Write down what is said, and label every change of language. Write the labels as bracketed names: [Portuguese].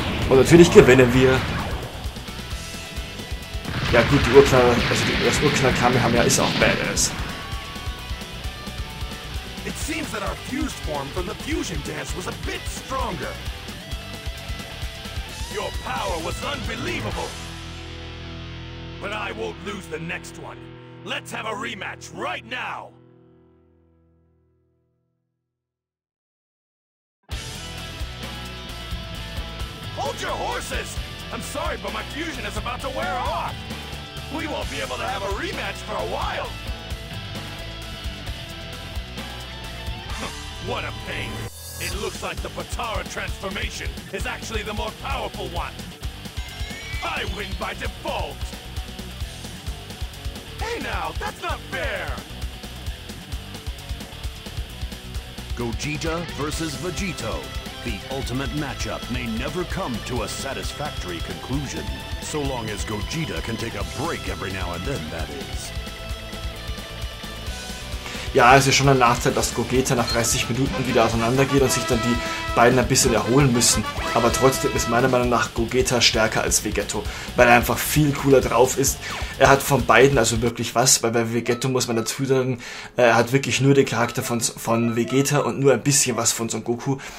[German] Und natürlich gewinnen wir. Ja gut, die Urknall, also die, das Urknall kam, wir haben ja, ist auch badass. [English] It seems that our fused form from the fusion dance was a bit stronger. Your power was unbelievable. But I won't lose the next one. Let's have a rematch right now. Hold your horses! I'm sorry, but my fusion is about to wear off! We won't be able to have a rematch for a while! What a pain! It looks like the Potara transformation is actually the more powerful one! I win by default! Hey now, that's not fair! Gogeta versus Vegito. The ultimate matchup may never come to a satisfactory conclusion. So long as Gogeta can take a break every now and then, that is. [German] Ja, es ist schon ein Nachteil, dass Gogeta nach 30 Minuten wieder auseinandergeht und sich dann die beiden ein bisschen erholen müssen. Aber trotzdem ist meiner Meinung nach Gogeta stärker als Vegetto, weil er einfach viel cooler drauf ist. Er hat von beiden also wirklich was, weil bei Vegetto muss man dazu sagen, er hat wirklich nur den Charakter von Vegeta und nur ein bisschen was von Son Goku.